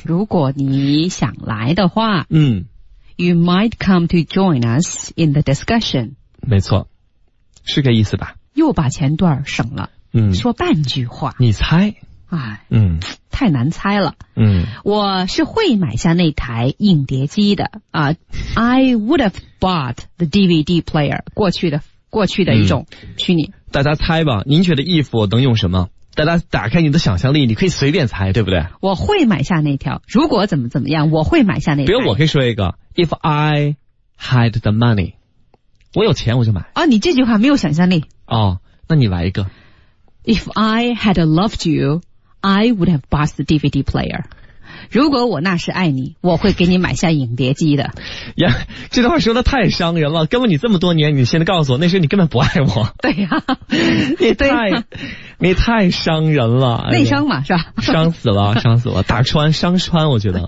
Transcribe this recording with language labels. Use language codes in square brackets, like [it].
[zh] 如果你想来的话 [en] you might come to join us in the discussion。 [zh] 没错。是个意思吧。又把前段省了说半句话。你猜。太难猜了。我是会买下那台硬碟机的。 [en] I would have bought the DVD player, [zh] 过去的一种虚拟。大家猜吧，您觉得 if 能用什么？大家打开你的想象力，你可以随便猜，对不对？我会买下那条，如果怎么怎么样，我会买下那条。比如我可以说一个 [en] if I had the money， [zh] 我有钱我就买。啊，你这句话没有想象力。哦，那你来一个。 [en] If I had loved you, I would have bought the DVD player。 [zh] 如果我那时爱你，我会给你买下影碟机的。呀，这段话说的太伤人了。根本你这么多年，你现在告诉我，那时你根本不爱我。对呀、啊，你太伤人了。内伤嘛，是吧？伤死了，伤死了，打穿，伤穿，我觉得。